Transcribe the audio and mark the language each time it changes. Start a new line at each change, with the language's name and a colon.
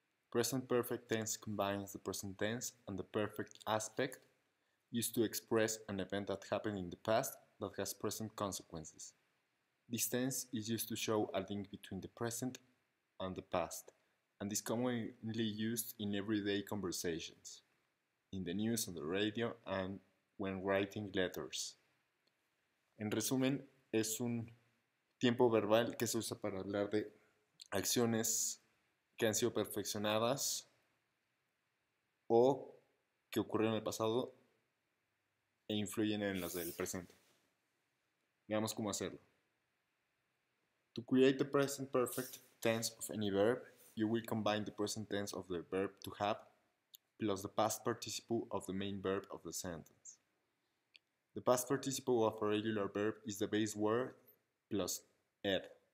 English: Present perfect tense combines the present tense and the perfect aspect used to express an event that happened in the past that has present consequences. This tense is used to show a link between the present and the past and is commonly used in everyday conversations, in the news, on the radio, and when writing letters.
Spanish: En resumen, es un tiempo verbal que se usa para hablar de acciones que han sido perfeccionadas o que ocurrieron en el pasado e influyen en las del presente. Veamos cómo hacerlo.
English: To create the present perfect tense of any verb, you will combine the present tense of the verb to have plus the past participle of the main verb of the sentence. The past participle of a regular verb is the base word plus -ed.